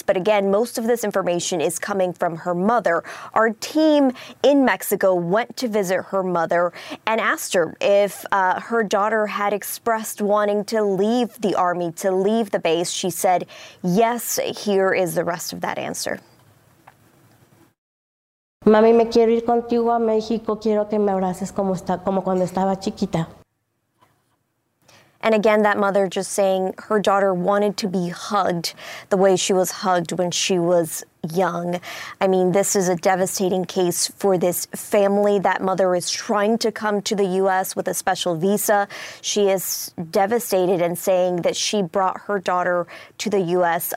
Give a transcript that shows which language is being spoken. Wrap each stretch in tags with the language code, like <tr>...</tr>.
<en>But again, most of this information is coming from her mother. Our team in Mexico went to visit her mother and asked her if her daughter had expressed wanting to leave the Army, to leave the base. She said, yes, here is the rest of that answer.</en> <es>Mami, me quiero ir contigo a México. Quiero que me abraces como cuando estaba chiquita.</es> <en>And again, that mother just saying her daughter wanted to be hugged the way she was hugged when she was young. I mean, this is a devastating case for this family. That mother is trying to come to the U.S. with a special visa. She is devastated and saying that she brought her daughter to the U.S.</en>